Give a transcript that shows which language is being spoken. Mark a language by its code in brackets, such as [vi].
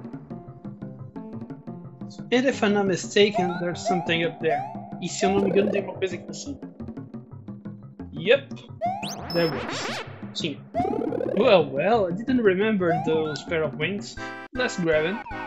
[en] And if I'm not mistaken, there's something up there. [pt] E se eu não me engano, tem alguma coisa aqui assim? [en] Yep, there was. Sim. Well, well, I didn't remember those pair of wings. Let's grab them.